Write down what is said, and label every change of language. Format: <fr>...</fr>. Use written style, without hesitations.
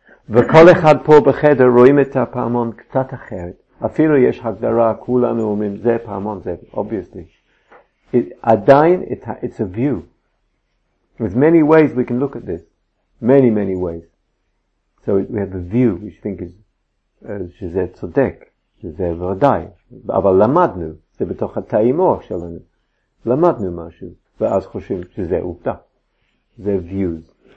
<he>וכל אחד פה בחדר רואים את הפעמון קצת אחרת. אפילו יש הגדרה, כולנו אומרים, זה פעמון, זה, obviously. עדיין,</he> <en>it's a view. There's many ways we can look at this. Many, many ways. So we have a view, which I think is,</en> <he>שזה צודק, שזה ודאי. אבל למדנו, זה בתוך התאים אור שלנו. למדנו משהו, ואז חושבים שזה עובדה. זה views.</he>